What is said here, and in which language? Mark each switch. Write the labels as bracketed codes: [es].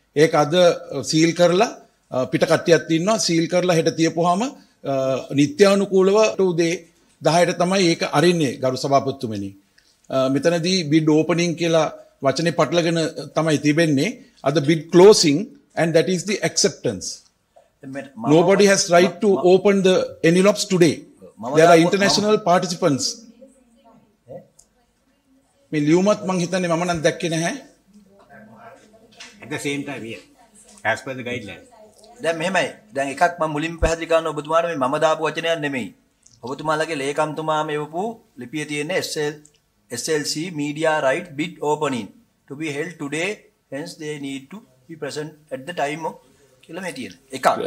[si] ඒක අද සීල් කරලා පිටකට්ටියත් ඉන්නවා. සීල් කරලා හෙට තියපුවාම නිත්‍යානුකූලව උදේ 10ට තමයි ඒක අරින්නේ ගරු සභාපතිතුමනි. මෙතනදී බිඩ් ඕපනින් කියලා වචනේ පටලගෙන තමයි තිබෙන්නේ. අද bid ක්ලෝසිං, [en] and that is the acceptance. Nobody has right to open the Enilops today. There are international participants. [si] මේ ලියුමත් මං හිතන්නේ මම නම් දැක්කේ නැහැ. [en] At the same time here as per the guideline. [si] දැන් මෙහෙමයි. දැන් එකක් මම මුලින්ම පැහැදිලි කරන්න ඔබතුමාට මේ මම දාපු වචනයක් නෙමෙයි. ඔබතුමාලගේ ලේකම්තුමා මේවපු ලිපිය තියෙන්නේ [en] SLC media right bid opening to be held today, hence they need to be present at the time of [si] කියලා මේ තියෙන එක.